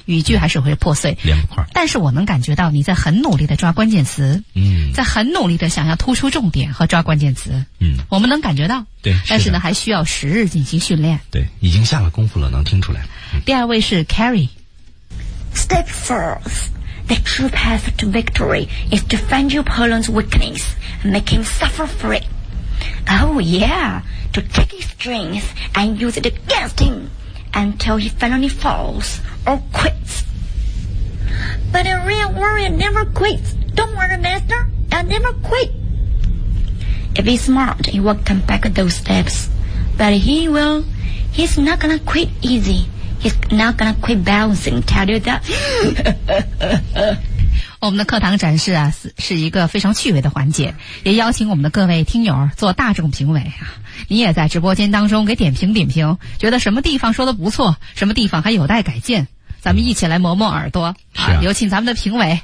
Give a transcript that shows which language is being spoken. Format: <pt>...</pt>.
<zh>语句还是会破碎连不块，但是我能感觉到你在很努力的抓关键词，嗯，在很努力的想要突出重点和抓关键词，嗯，我们能感觉到，对，但是呢还需要时日进行训练，对，已经下了功夫了，能听出来。第二位是 Carrie。</zh> <en>Step forth. The true path to victory is to find your opponent's weakness and make him suffer for it. Oh yeah, to take his strength and use it against himUntil he finally falls or quits. But a real warrior never quits. Don't worry, Master, I'll never quit. If he's smart, he will come back those steps. But he will. He's not gonna quit easy. He's not gonna quit bouncing, tell you that.</en> <zh>我们的课堂展示啊，是一个非常趣味的环节，也邀请我们的各位听友做大众评委啊。你也在直播间当中给点评点评，觉得什么地方说的不错，什么地方还有待改进，咱们一起来磨磨耳朵。是啊，有请咱们的评委。</zh>